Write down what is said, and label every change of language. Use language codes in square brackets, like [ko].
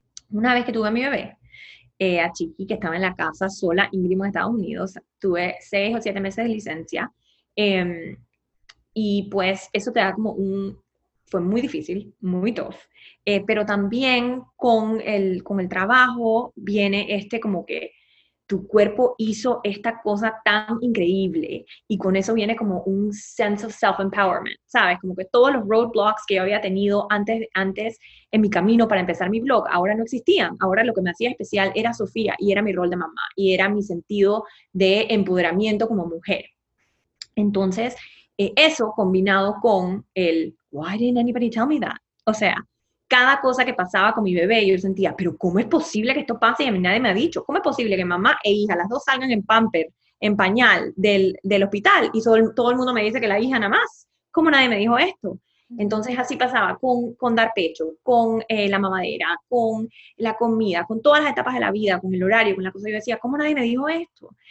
[es] Una vez que tuve a mi bebé, a Chiqui, que estaba en la casa sola, íngrimo en Estados Unidos, tuve 6 o 7 meses de licencia, y pues eso te da como un, fue muy difícil, muy tough, pero también con el trabajo viene este como que tu cuerpo hizo esta cosa tan increíble, y con eso viene como un [en] sense of self-empowerment, [es] ¿sabes? Como que todos los roadblocks que yo había tenido antes en mi camino para empezar mi blog, ahora no existían. Ahora lo que me hacía especial era Sofía, y era mi rol de mamá, y era mi sentido de empoderamiento como mujer. Entonces, eso combinado con el, [en] why didn't anybody tell me that? [es] O sea, cada cosa que pasaba con mi bebé, yo sentía, pero ¿cómo es posible que esto pase y a mí nadie me ha dicho? ¿Cómo es posible que mamá e hija, las dos salgan en pamper, en pañal, del hospital, y todo el mundo me dice que la hija nada más? ¿Cómo nadie me dijo esto? Entonces así pasaba con dar pecho, con la mamadera, con la comida, con todas las etapas de la vida, con el horario, con la cosa. Yo decía, ¿cómo nadie me dijo esto?